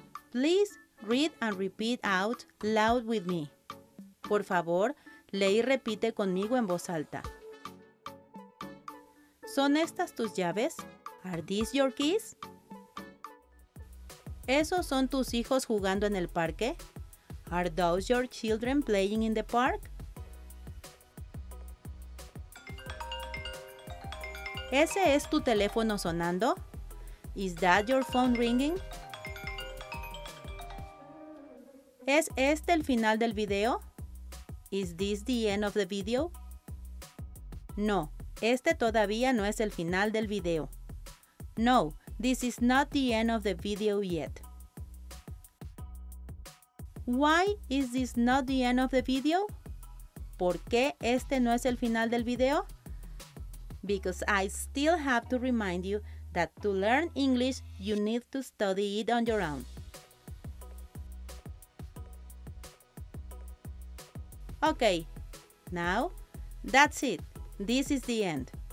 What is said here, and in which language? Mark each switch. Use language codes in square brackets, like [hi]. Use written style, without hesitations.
[en] Please read and repeat out loud with me. [es] Por favor, lee y repite conmigo en voz alta. ¿Son estas tus llaves? [en] Are these your keys? [es] ¿Esos son tus hijos jugando en el parque? [en] Are those your children playing in the park? [es] ¿Ese es tu teléfono sonando? [en] Is that your phone ringing? [es] ¿Es este el final del video? [en] Is this the end of the video? [es] No, este todavía no es el final del video. [en] No, this is not the end of the video yet. Why is this not the end of the video? [es] ¿Por qué este no es el final del video? [en] Because I still have to remind you that to learn English, you need to study it on your own. Okay, now that's it. This is the end.